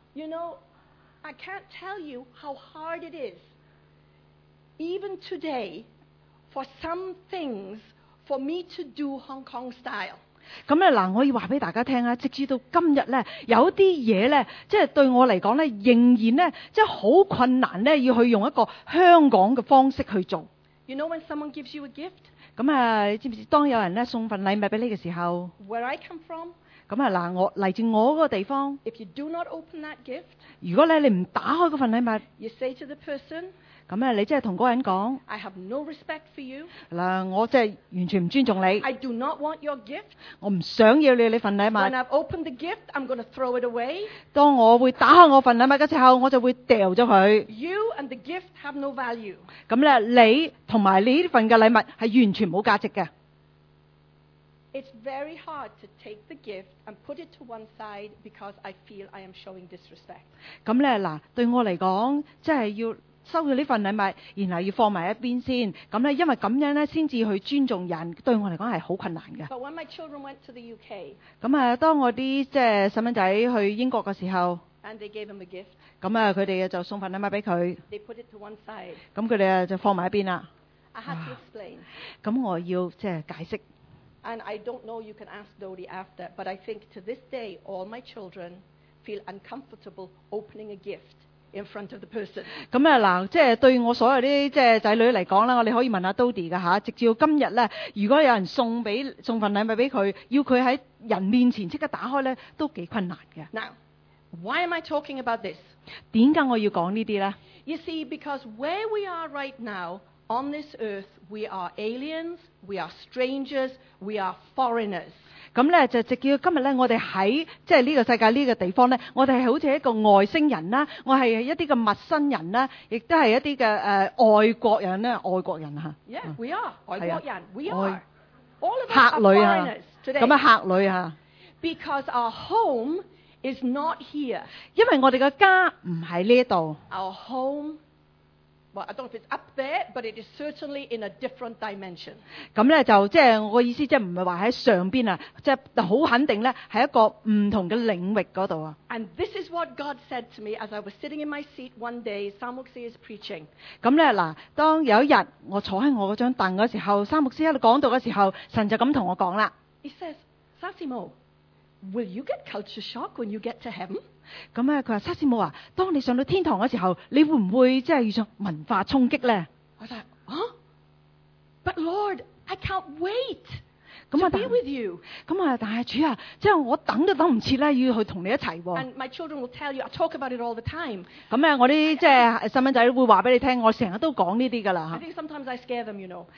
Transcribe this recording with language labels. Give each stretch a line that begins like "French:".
English: ！You know, I can't tell you how hard it is, even today, for some things for me to do Hong Kong style.
Cantonese: 咁嗱，我要话俾大家听啊，直至到今日咧，有啲嘢咧，即系对我嚟讲咧，仍然咧，即系好困难咧，要去用一个香港嘅方式去做。
English: You know when someone gives you a gift?
Cantonese: 咁你知唔知当有人咧送份礼物俾你嘅时候
English: ？Where I come from？
Cantonese: 咁我嚟自我嗰个地方。
English: If you do not open that gift，
Cantonese: 如果你唔打开嗰份礼物
English: ，You say to the person，
Cantonese: 咁你即系同嗰个人讲
English: ，I have no respect for you。
Cantonese: 我即系完全唔尊重你。
English: I do not want your gift。
Cantonese: 我唔想要你份礼物。
English: When I've opened the gift， I'm going to throw it away。
Cantonese: 当我会打开我份礼物嘅时候，我就会掉咗佢。
English: You and the gift have no value。
Cantonese: 咁你同埋你呢份嘅礼物系完全冇价值嘅。
English: It's very hard to take the gift and put it to one side because I feel I am showing disrespect.
Cantonese: 咁咧嗱，对我嚟讲，即系要收咗呢份礼物，然后要放埋一边先。咁咧，因为咁样咧，先至去尊重人，对我嚟讲系好困难嘅。
English: But when my children went to the UK,
Cantonese: 咁当我啲细蚊仔去英国嘅时候
English: And they gave him a gift.
Cantonese: 咁啊，佢哋就送份禮物俾佢。
English: They put it to one side.
Cantonese: 咁佢哋就放埋一邊啦。
English: I have to explain.
Cantonese: 咁我要即係解釋。
English: And I don't know. You can ask Dodie after. But I think to this day, all my children feel uncomfortable opening a gift in front of the person.
Cantonese: 咁啊嗱，即係對我所有啲即係仔女嚟講啦，我哋可以問下 Dodie 噶嚇。直至到今日咧，如果有人送份禮物俾佢，要佢喺人面前即刻打開咧，都幾困難嘅。
English: Now, why am I talking about this?
Cantonese: 點解我要講呢啲咧
English: ？You see, because where we are right now. On this earth, we are aliens, we are strangers, we are foreigners.
Cantonese: 咁咧就直到今日咧，我哋喺即系呢个世界呢个地方咧，我哋系好似一个外星人啦，我系一啲嘅陌生人啦，亦都系一啲嘅外国人咧，外国人吓。
English: Yeah, we are 外国人。 We are all of us are foreigners today.
Cantonese: 咁啊，客旅吓。
English: Because our home is not here.
Cantonese: 因为我哋嘅家唔喺呢度。
English: Our home. Well, I don't know if it's up there, but it is certainly in a different dimension.
Cantonese: 咁咧就即系我意思，即系唔系话喺上边啊，即系好肯定咧，系一个唔同嘅领域嗰度啊。
English: And this is what God said to me as I was sitting in my seat one day. Sam Mukse is preaching.
Cantonese: 咁咧嗱，当有一日我坐喺我嗰张凳嗰时候，三牧师喺度讲到嘅时候，神就咁同我讲啦。
English: He says, Sasimo, will you get culture shock when you get to heaven?
Cantonese: 咁咧，佢话：沙士母啊，当你上到天堂嘅时候，你会唔会即系遇上文化冲击咧？我就话：啊
English: ，But Lord, I can't wait to be with you。
Cantonese: 咁啊，但系主啊，即系我等都等唔切咧，要去同你一齐。
English: And my children will tell you, I talk about it all the time。
Cantonese: 咁咧，我啲即系细蚊仔会话俾你听，我成日都讲呢啲噶啦。
English: I think sometimes I scare them, you know。